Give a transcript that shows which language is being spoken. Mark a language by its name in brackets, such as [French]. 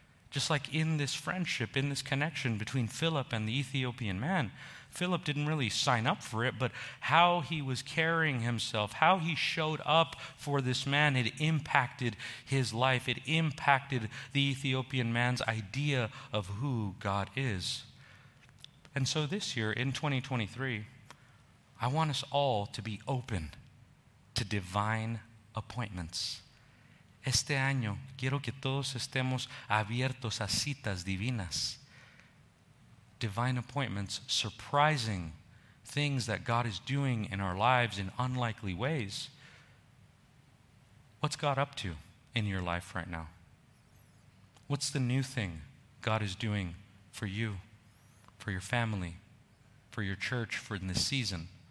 [English] Just like in this friendship, in this connection between Philip and the Ethiopian man, Philip didn't really sign up for it, but how he was carrying himself, how he showed up for this man, it impacted his life. It impacted the Ethiopian man's idea of who God is. And so this year, in 2023, I want us all to be open to divine appointments. [Spanish] Este año, quiero que todos estemos abiertos a citas divinas. [English] Divine appointments, surprising things that God is doing in our lives in unlikely ways. What's God up to in your life right now? What's the new thing God is doing for you, for your family, for your church, for in this season?